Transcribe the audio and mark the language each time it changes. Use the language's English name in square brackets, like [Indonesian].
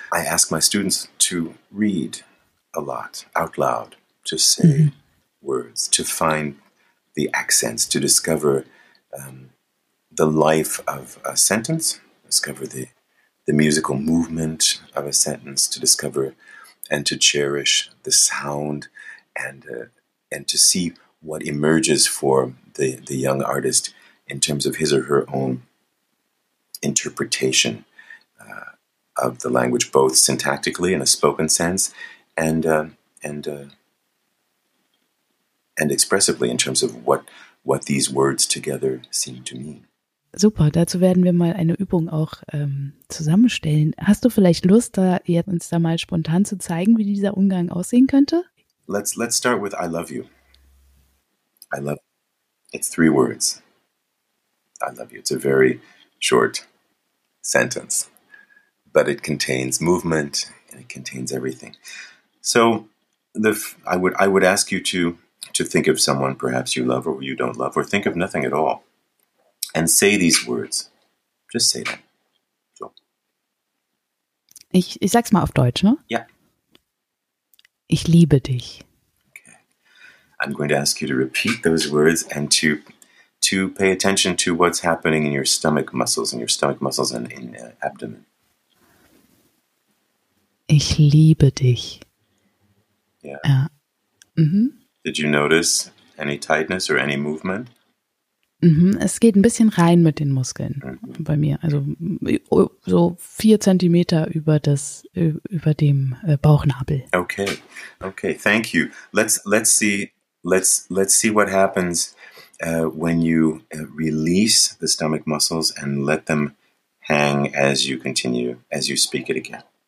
[English] I ask my students to read a lot out loud, to say words, to find the accents, to discover the life of a sentence, discover the musical movement of a sentence, to discover and to cherish the sound, and to see what emerges for the young artist in terms of his or her own interpretation of the language, both syntactically in a spoken sense and expressively in terms of what these words together seem to mean. [German] Super, dazu werden wir mal eine Übung auch zusammenstellen. Hast du vielleicht Lust, uns mal spontan zu zeigen, wie dieser Umgang aussehen könnte? [English] Let's start with I love you. I love you. It's three words. I love you. It's a very short sentence, but it contains movement and it contains everything. So I would ask you to think of someone perhaps you love or you don't love, or think of nothing at all. And say these words. Just say them. So. [German] Ich sag's mal auf Deutsch, ne? Ja. Ich liebe dich. [English] Okay. I'm going to ask you to repeat those words and to pay attention to what's happening in your stomach muscles and in the abdomen. [German] Ich liebe dich. [English] Yeah. Did you notice any tightness or any movement? [German] Es geht ein bisschen rein mit den Muskeln bei mir, also so 4 Zentimeter über dem Bauchnabel. [English] Okay, thank you. Let's see what happens when you release the stomach muscles and let them hang as you speak it again.